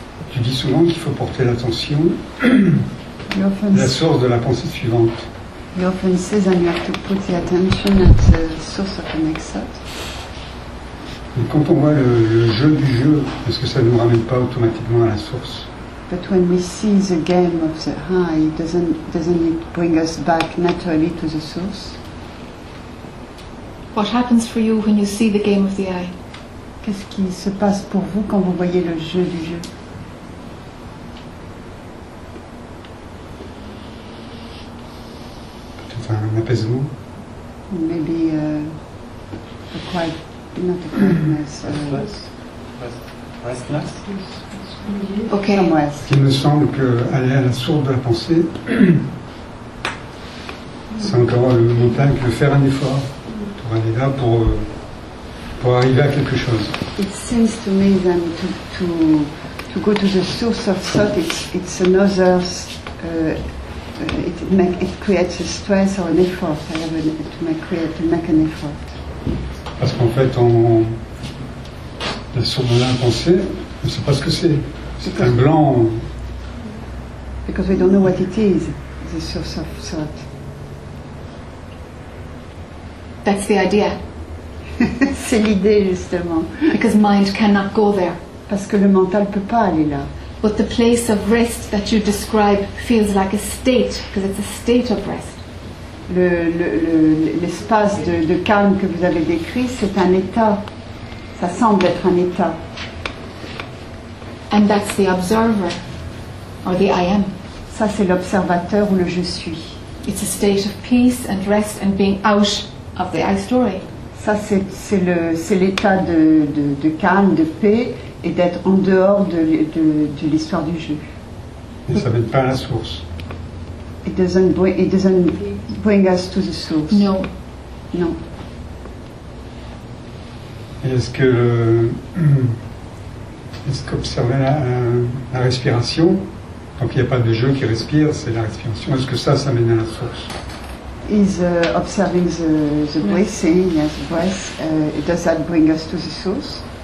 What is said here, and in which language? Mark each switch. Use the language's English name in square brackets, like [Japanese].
[French] Tu dis souvent qu'il faut porter l'attention à la source de la pensée suivante. [English] You often say that you have to put the attention at the source of the next thought. [French] Mais quand on voit le jeu du jeu, est-ce que ça ne nous ramène pas automatiquement à la source? [English] But when we see the game of the eye, doesn't it bring us back naturally to the source? What happens for you when you see the game of the eye? [French] Qu'est-ce qui se passe pour vous quand vous voyez le jeu du jeu? Un apaisement. [English] Maybe a quiet, not a quietness. Restlessness. Okay. Somewhere else. [French] Il me semble que aller à la source de la pensée, c'est encore le montagne que faire un effort pour aller là pour arriver à quelque chose. [English] It seems to me that to go to the source of thought, it's another. It creates a stress or an effort. I have to make an effort. [French] Parce qu'en fait, la source de la pensée, on ne sait pas ce que c'est. C'est un blanc. [English] Because we don't know what it is, the source of thought. That's the idea. [French] C'est l'idée, justement. [English] Because mind cannot go there. [French] Parce que le mental ne peut pas aller là. [English] But the place of rest that you describe feels like a state, because it's a state of rest. [French] L'espace de calme que vous avez décrit, c'est un état. Ça semble être un état. [English] And that's the observer, or the I am. [French] Ça, c'est l'observateur ou le je suis. [English] It's a state of peace and rest and being out of the I story. [French] Ça, c'est l'état de calme, de paix, et d'être en dehors de l'histoire du jeu. Mais ça ne mène pas à la source. [English] It doesn't bring us to the source. [French] Non. Non. Est-ce qu'observer la respiration, donc il n'y a pas de jeu qui respire, c'est la respiration, est-ce que ça mène à la source? [English] Is observing the breathing, yes, the breath, does that bring us to the source?